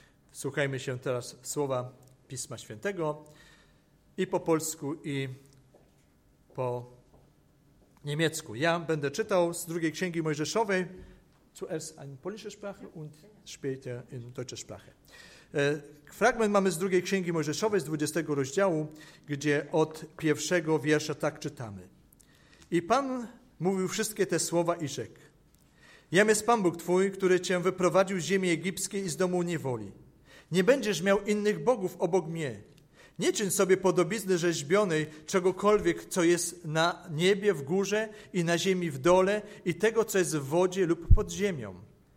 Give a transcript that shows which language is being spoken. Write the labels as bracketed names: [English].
[Polish] Wsłuchajmy się teraz słowa Pisma Świętego i po polsku, i po niemiecku. Ja będę czytał z drugiej księgi Mojżeszowej. [German] Zuerst eine polnische Sprache und später in deutsche Sprache. [Polish] Fragment mamy z drugiej księgi Mojżeszowej, z 20 rozdziału, gdzie od pierwszego wiersza tak czytamy. I Pan mówił wszystkie te słowa i rzekł: Jam jest Pan Bóg Twój, który Cię wyprowadził z ziemi egipskiej i z domu niewoli. Nie będziesz miał innych bogów obok mnie. Nie czyń sobie podobizny rzeźbionej czegokolwiek, co jest na niebie w górze i na ziemi w dole i tego, co jest w wodzie lub pod ziemią.